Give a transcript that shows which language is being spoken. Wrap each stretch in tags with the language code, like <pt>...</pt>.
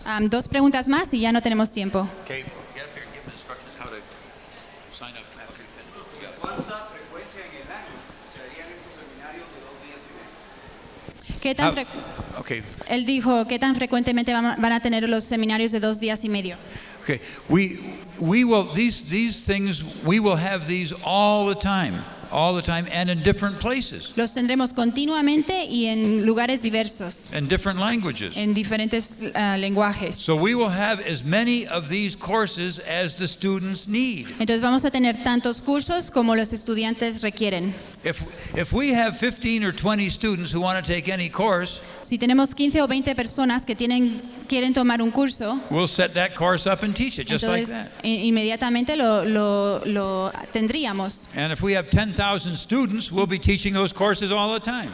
<es>Dos preguntas más y ya no tenemos tiempo.</es> <en>Okay. Get up here and give the instructions how to sign up.</en> <es>¿Cuánta frecuencia en el año serían estos seminarios de dos días y medio? ¿Qué tan Okay. Él dijo, ¿qué tan frecuentemente van a tener los seminarios de dos días y medio?</es> <en>Okay. We will have these all the time and in different places.</en> <es>Los tendremos continuamente y en lugares diversos.</es> <en>In different languages.</en> <es>En diferentes lenguajes.</es> <en>So we will have as many of these courses as the students need.</en> <es>Entonces vamos a tener tantos cursos como los estudiantes requieren.</es> <en>If we have 15 or 20 students who want to take any course,</en> <es>si tenemos 15 o 20 personas que quieren tomar un curso,</es> <en>we'll set that course up and teach it just</en> <es>entonces,</es> <en>like that.</en> <es>Inmediatamente lo tendríamos.</es> <en>And if we have 10,000 students, we'll be teaching those courses all the time.</en>